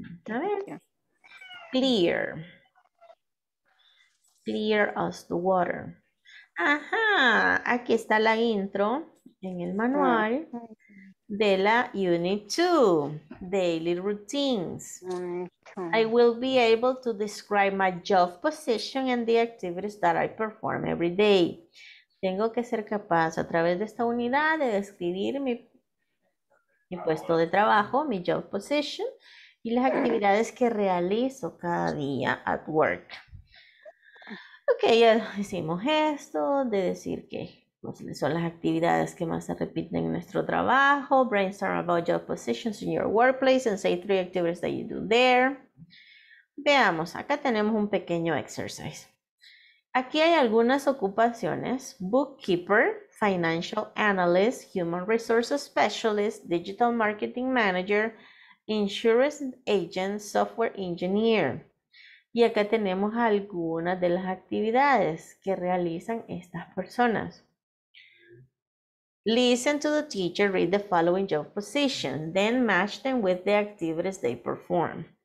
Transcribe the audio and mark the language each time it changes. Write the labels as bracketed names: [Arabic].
[Spanish] A ver. Clear. [English] Clear as the water. [Spanish] Ajá, aquí está la intro en el manual de la Unit 2, Daily Routines. [English] I will be able to describe my job position and the activities that I perform every day. [Spanish] Tengo que ser capaz a través de esta unidad de describir mi puesto de trabajo, mi job position, y las actividades que realizo cada día [English] at work. [Spanish] Ok, ya hicimos esto de decir que pues, son las actividades que más se repiten en nuestro trabajo. [English] Brainstorm about job positions in your workplace and say three activities that you do there. [Spanish] Veamos, acá tenemos un pequeño exercise. Aquí hay algunas ocupaciones. [English] Bookkeeper, financial analyst, human resources specialist, digital marketing manager, insurance agent, software engineer. [Spanish] Y acá tenemos algunas de las actividades que realizan estas personas. [English] Listen to the teacher read the following job positions, then match them with the activities they perform.